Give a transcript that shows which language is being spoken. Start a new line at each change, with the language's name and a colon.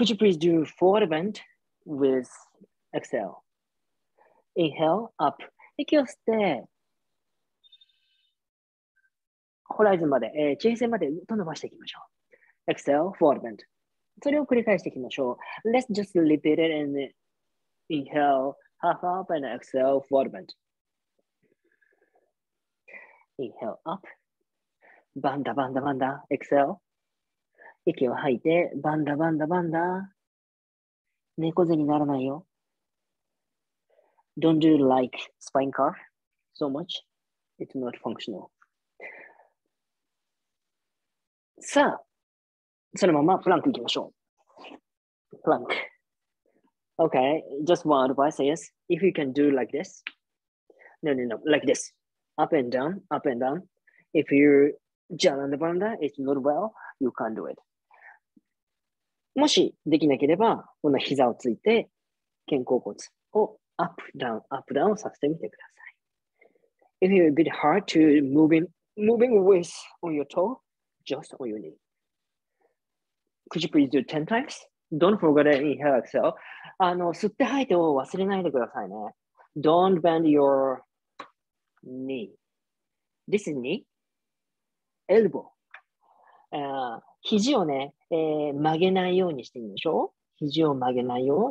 English: Could you please do forward bend with exhale? Inhale, up.
Japanese: 息を吸って、ホライズンまで、地平線までと伸ばしていきましょう。
English: Exhale, forward bend.
Japanese: それを繰り返していきましょう。
English: Let's just repeat it and inhale, half up and exhale, forward bend. Inhale, up. バンダバンダバンダ、exhale.
Japanese: 息を吐いて、バンダバンダバンダ。猫背にならないよ。
English: Don't do like spine curve so much. It's not functional.
Japanese: さあ、そのままプランク行きましょう。プランク。
English: Okay, just one advice is, if you can do like this, no, no, no, like this. Up and down, up and down. If you jump on the banda, it's not well, you can't do it.
Japanese: もしできなければ、この膝をついて、肩甲骨をアップダウン、アップダウンをさせてみてください。
English: If you're a bit hard to moving with on your toe, just on your knee. Could you please do 10 times? Don't forget it, inhale, exhale.
Japanese: 吸って吐いてを忘れないでくださいね。
English: Don't bend your knee. This is knee. Elbow.
Japanese: 肘をね、曲げないようにしてみましょう。肘を曲げないよ。